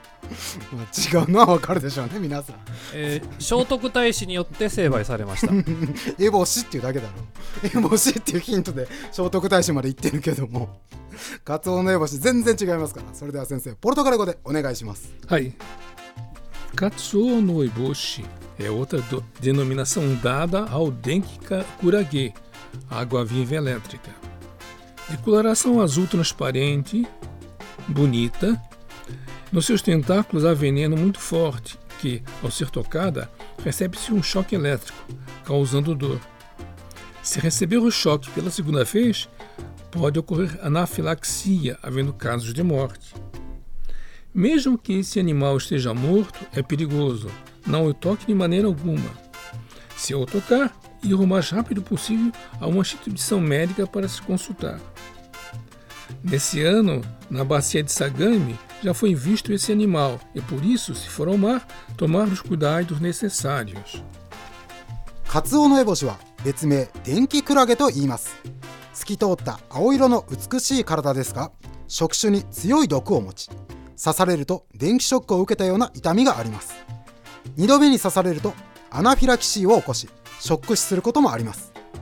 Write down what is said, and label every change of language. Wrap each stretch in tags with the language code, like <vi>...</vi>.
<ja>違うのは分かるでしょうね皆さん。聖徳太子によって成敗されました。エボシっていうだけだろ。エボシっていうヒントで聖徳太子まで言ってるけども、カツオのエボシ全然違いますから。それでは先生、ポルトガル語でお願いします。</ja> <pt>はい、カツオのエボシ é outra denominação dada ao dengue curaguê, água-viva elétrica. De coloração azul transparente, bonita. Nos seus tentáculos há veneno muito forte, que, ao ser tocada, recebe-se um choque elétrico, causando dor. Se receber o choque pela segunda vez, pode ocorrer anafilaxia, havendo casos de morte. Mesmo que esse animal esteja morto, é perigoso. Não o toque de maneira alguma. Se eu tocar, ir o mais rápido possível a uma instituição médica para se consultar. Nesse ano, na bacia de Sagami, já foi visto esse animal e por isso, se for ao mar, tomar os cuidados necessários.</pt> <ja>カツオのエボシは別名電気クラゲと言います。透き通った青色の美しい体ですが、触手に強い毒を持ち、刺されると電気ショックを受けたような痛みがあります。 2度目に刺されるとアナフィラキシーを起こしショック死することもあります。</ja>